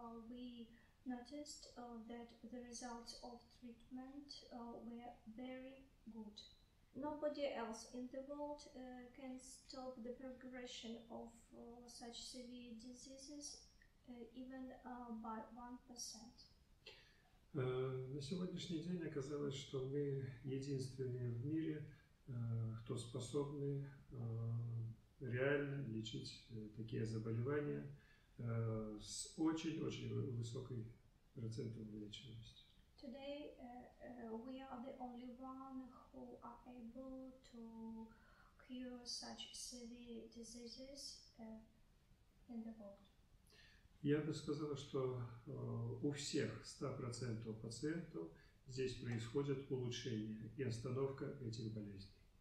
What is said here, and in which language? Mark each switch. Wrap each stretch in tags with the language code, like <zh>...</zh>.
<en>we noticed that the results of treatment were very good. Nobody else in the world can stop the progression of such severe diseases even by 1%.</en> <ru>На сегодняшний день оказалось, что мы единственные в мире, кто способны реально лечить такие заболевания с очень-очень высокой процентом вылечиваемости.</ru> <en>Today we are the only one who are able to cure such severe diseases in the world.</en> <ru>Я бы сказала, что у всех 100% пациентов здесь происходит улучшение и остановка этих болезней.</ru>